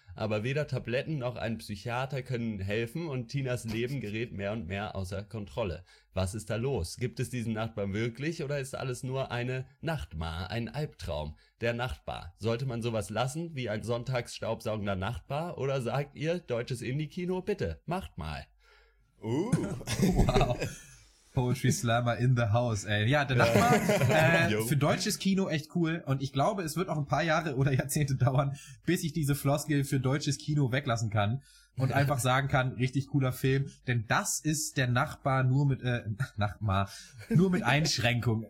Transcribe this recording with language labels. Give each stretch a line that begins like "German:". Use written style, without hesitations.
German: Aber weder Tabletten noch ein Psychiater können helfen und Tinas Leben gerät mehr und mehr außer Kontrolle. Was ist da los? Gibt es diesen Nachbarn wirklich oder ist alles nur eine Nachtmahr, ein Albtraum? Der Nachbar. Sollte man sowas lassen wie ein sonntagsstaubsaugender Nachbar oder sagt ihr, deutsches Indie-Kino, bitte, macht mal. Wow.
English: Poetry Slammer in the house, ey.
German: Ja, der Nachbar, für deutsches Kino echt cool. Und ich glaube, es wird noch ein paar Jahre oder Jahrzehnte dauern, bis ich diese Floskel für deutsches Kino weglassen kann und einfach sagen kann, richtig cooler Film. Denn das ist der Nachbar nur mit Einschränkungen.